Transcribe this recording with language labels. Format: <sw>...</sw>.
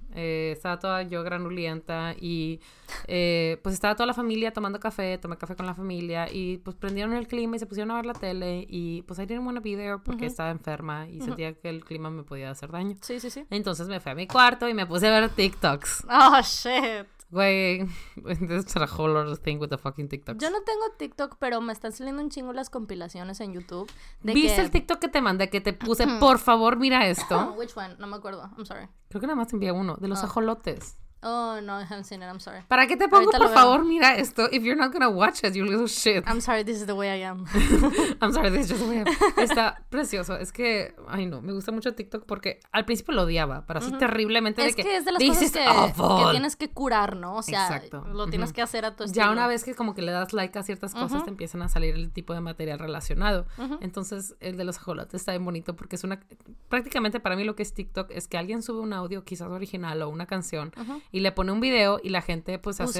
<es>Estaba toda yo granulienta y pues estaba toda la familia tomando café, tomé café con la familia y pues prendieron el clima y se pusieron a ver la tele y pues</es> <en>I didn't want to be there</en> <es>porque estaba enferma y sentía que el clima me podía hacer daño. Sí, sí, sí. Entonces me fui a mi cuarto y me puse a ver TikToks.</es> <en>Oh, shit. Güey, this is a whole other thing with the fucking TikToks.</en> <es>Yo no tengo TikTok, pero me están saliendo un chingo las compilaciones en YouTube. De ¿viste que... el TikTok que te mandé, que te puse, por favor, mira esto?</es> <en>Which one?</en> <es>No me acuerdo,</es> <en>I'm sorry.</en> <es>Creo que nada más te envié uno, de los ajolotes.</es> <en>Oh, no, I haven't seen it, I'm sorry.</en> <es>¿Para qué te pongo, ahorita por favor, mira esto?</es> <en>If you're not gonna watch it, you little shit. I'm sorry, this is the way I am. I'm sorry, this is just the way I am.</en> <es>Está precioso, es que, ay no, me gusta mucho TikTok porque al principio lo odiaba, pero así terriblemente es de que es de las cosas que tienes que curar, ¿no? O sea, exacto. Lo tienes que hacer a tu estilo. Ya una vez que como que le das like a ciertas cosas, te empiezan a salir el tipo de material relacionado. Entonces, el de los ajolotes está bien bonito porque es una, prácticamente para mí lo que es TikTok es que alguien sube un audio, quizás original o una canción, y le pone un video y la gente pues hace</es>